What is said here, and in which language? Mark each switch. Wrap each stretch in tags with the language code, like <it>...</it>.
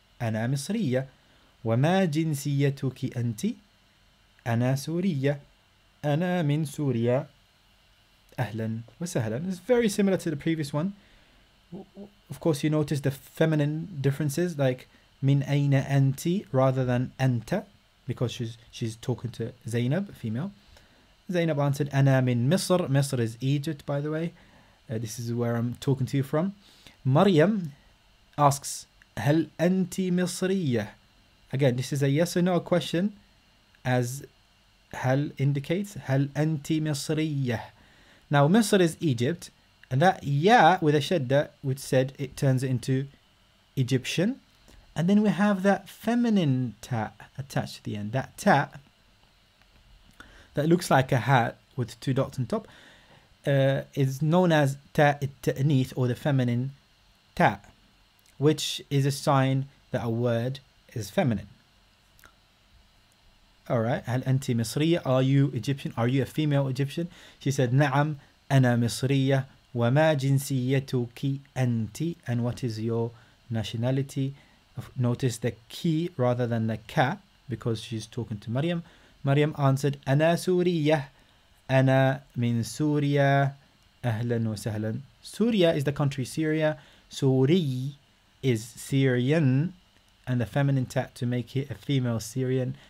<ar>أنا مصرية وما جنسيتك أنت؟ أنا سورية أنا من سوريا أهلا وسهلا.</ar> <en>It's very similar to the previous one. Of course, you notice the feminine differences, like</en> <ar>من أين أنت</ar> <en>rather than أنت, because she's talking to Zainab, a female.</en> <ar>Zainab</ar> <en>answered,</en> <ar>أنا من مصر.</ar> <en>مصر is Egypt, by the way. This is where I'm talking to you from.</en> <ar>Maryam</ar> <en>asks,</en> <ar>هل أنت مصرية?</ar> <en>Again, this is a yes or no question, as هل indicates.</en> <ar>هل أنت مصرية?</ar> <en>Now, مصر is Egypt, and that ya with a shadda, which said it turns it into Egyptian. And then we have that feminine ta attached to the end. That ta that looks like a hat with two dots on top is known as ta التأنيث, or the feminine ta, which is a sign that a word is feminine. All right,</en> <ar>هل أنت مصرية?</ar> <en>Are you Egyptian? Are you a female Egyptian? She said,</en> <ar>نعم, أنا مصرية. وما جنسيتك أنت?</ar> <en>And what is your nationality? Notice the ki rather than the ka, because she's talking to Maryam.</en> <ar>Maryam</ar> <en>answered,</en> <ar>أنا سورية. أنا من سوريا. أهلا وسهلا.</ar> <en>Syria is the country Syria. سوري is Syrian, and the feminine ta to make it a female Syrian.</en>